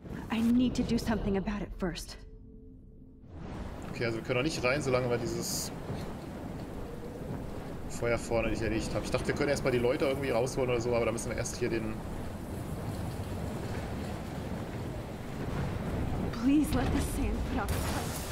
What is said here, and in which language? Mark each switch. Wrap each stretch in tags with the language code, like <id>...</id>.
<en>I need to do something about it first.</en> <de>Okay, also wir können auch nicht rein, solange wir dieses Feuer vorne nicht erlicht haben. Ich dachte, wir können erstmal die Leute irgendwie rausholen oder so, aber da müssen wir erst hier den.</de> <en>Please let the sand put out the fire.</en>